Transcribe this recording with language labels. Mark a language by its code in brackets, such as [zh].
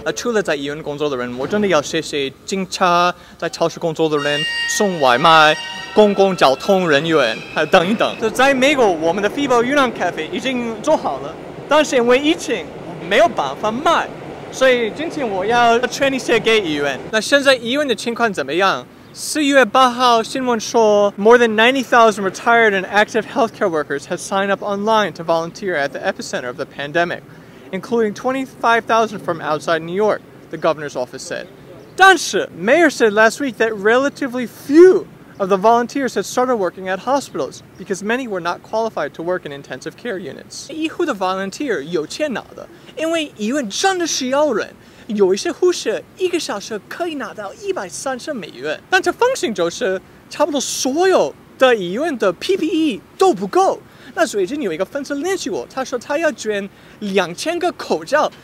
[zh] 那除了在医院工作的人，我真的要谢谢警察，在超市工作的人，送外卖，公共交通人员，还等一等。在美国，我们的 Fibo 云南咖啡已经做好了，但是因为疫情没有办法卖，所以今天我要 train 一些给医院。那现在医院的情况怎么样？ 4月8号新闻说 [en] ，more than 90,000 retired and active healthcare workers have signed up online to volunteer at the epicenter of the pandemic, including 25,000 from outside New York, the governor's office said. [zh] 但是 [en] mayor said last week that relatively few of the volunteers had started working at hospitals because many were not qualified to work in intensive care units. [zh] 医护的 volunteer 有钱拿的。因为医院真的需要人，有一些护士一个小时可以拿到130美元，但这风险就是差不多所有的医院的 PPE 都不够。那最近有一个粉丝联系我，他说他要捐2000个口罩。